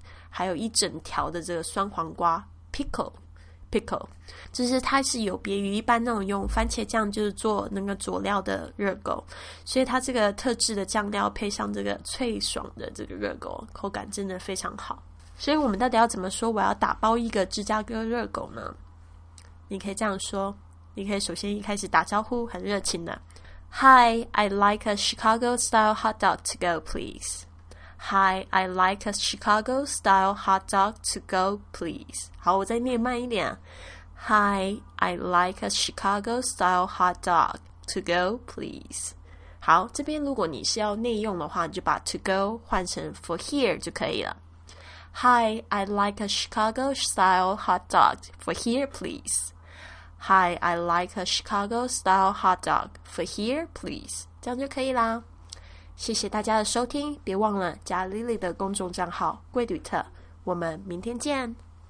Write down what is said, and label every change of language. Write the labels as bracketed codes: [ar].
[zh] 还有一整条的这个酸黄瓜 Pickle 就是它是有别于一般那种用番茄酱就是做那个佐料的热狗，所以它这个特制的酱料配上这个脆爽的这个热狗，口感真的非常好。所以我们到底要怎么说我要打包一个芝加哥热狗呢？你可以这样说，你可以首先一开始打招呼很热情的 [en] Hi, I'd like a Chicago-style hot dog to go, please. Hi, I'd like a Chicago-style hot dog to go, please. [zh] 好，我再念慢一点。 [en] Hi, I'd like a Chicago-style hot dog to go, please. [zh] 好，这边如果你是要内用的话，你就把 to go 换成 for here 就可以了。 [en] Hi, I'd like a Chicago-style hot dog for here, please. Hi, I like a Chicago-style hot dog for here, please. [zh] 这样就可以啦。谢谢大家的收听，别忘了加 Lily 的公众账号贵旅特。我们明天见。